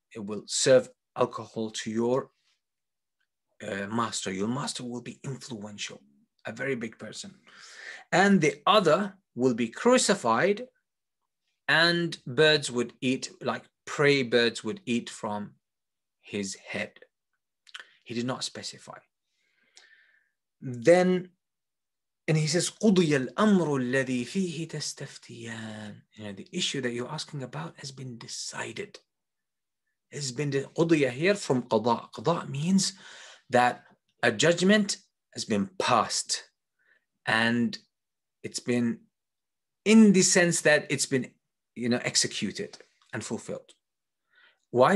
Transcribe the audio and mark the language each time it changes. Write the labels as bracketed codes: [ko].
[en] It will serve alcohol to your master. Your master will be influential, a very big person. And the other will be crucified, and birds would eat, like prey birds would eat from his head. He did not specify. Then, and he says, [ar] قُضِيَ الْأَمْرُ الَّذِي فِيهِ تَسْتَفْتِيَانِ. [en] You know, the issue that you're asking about has been decided. It's been قُضِيَ here from قَضَى. قَضَى means that a judgment has been passed. And it's been in the sense that it's been, you know, executed and fulfilled. Why?